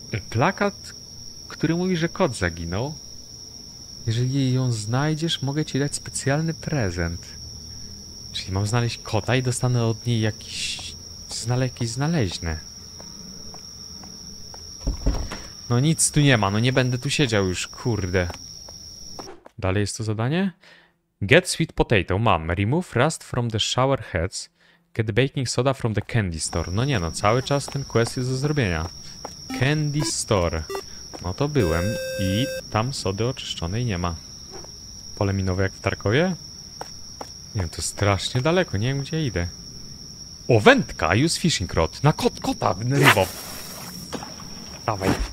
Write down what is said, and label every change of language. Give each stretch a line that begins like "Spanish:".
Polish: Plakat, który mówi, że kot zaginął. Jeżeli ją znajdziesz, mogę ci dać specjalny prezent. Czyli mam znaleźć kota i dostanę od niej jakiś znaleźny. No nic tu nie ma, no nie będę tu siedział już, kurde. Dalej jest to zadanie?
English: Get sweet potato,
Polish: mam.
English: Remove rust from the shower heads. Get baking soda from the candy store.
Polish: No nie, no cały czas ten quest jest do zrobienia. Candy store. No to byłem i tam sody oczyszczonej nie ma. Pole minowe jak w Tarkowie? Nie, to strasznie daleko, nie wiem gdzie idę. O, wędka,
English: use fishing rod.
Polish: Na kota, rybo. Dawaj.